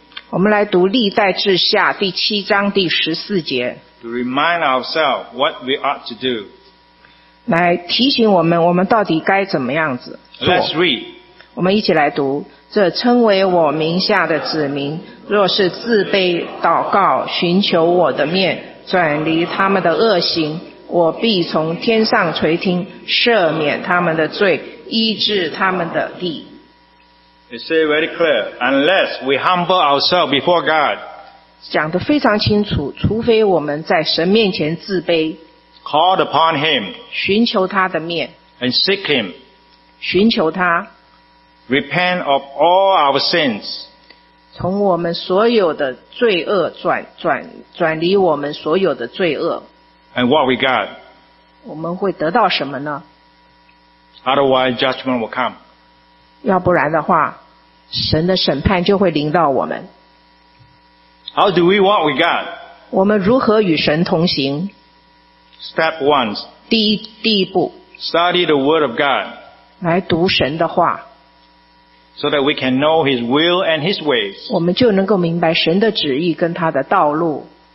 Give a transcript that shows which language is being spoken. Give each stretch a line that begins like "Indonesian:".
Chinese: 我们来读《历代志下》第七章第十四节。
English: To remind ourselves what we ought to do.
Chinese: 来提醒我们，我们到底该怎么样子做。
English: Let's read.
Chinese: 我们一起来读。这称为我名下的子民，若是自卑祷告，寻求我的面，转离他们的恶行，我必从天上垂听，赦免他们的罪，医治他们的地。
English: It says very clear, unless we humble ourselves before God,
Chinese: 讲得非常清楚，除非我们在神面前自卑
English: called upon Him,
Chinese: 寻求他的面
English: and seek Him,
Chinese: 寻求他
English: repent of all our sins,
Chinese: 从我们所有的罪恶转离我们所有的罪恶
English: and what we got,
Chinese: 我们会得到什么呢
English: Otherwise, judgment will come.
Chinese: 要不然的话，神的审判就会临到我们。
English: How do we walk with God?
Chinese: 我们如何与神同行
English: ？Step one.
Chinese: 第一步。
English: Study the Word of God.
Chinese: 来读神的话。
English: So that we can know His will and His ways.
Chinese: 我们就能够明白神的旨意跟他的道路。